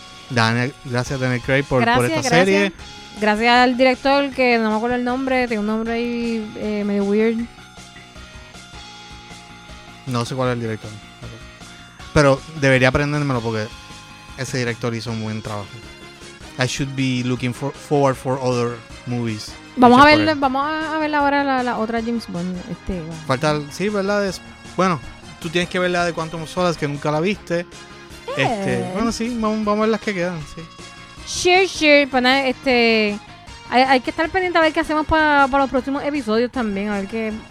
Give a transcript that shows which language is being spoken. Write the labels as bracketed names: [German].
[Spanish] Gracias a Daniel Craig por esta serie. Gracias al director, que no me acuerdo el nombre. Tengo un nombre ahí medio weird. No sé cuál es el director. Pero debería aprendérmelo, porque ese director hizo un buen trabajo. [English] I should be looking forward for other movies. [Spanish] Vamos a ver ahora la otra James Bond. Falta, sí, ¿verdad? Bueno, tú tienes que ver la de Quantum of Solace, que nunca la viste. Bueno, sí, vamos a ver las que quedan, sí. [English] Sure. [Spanish] Pero hay que estar pendiente a ver qué hacemos para los próximos episodios también. A ver qué.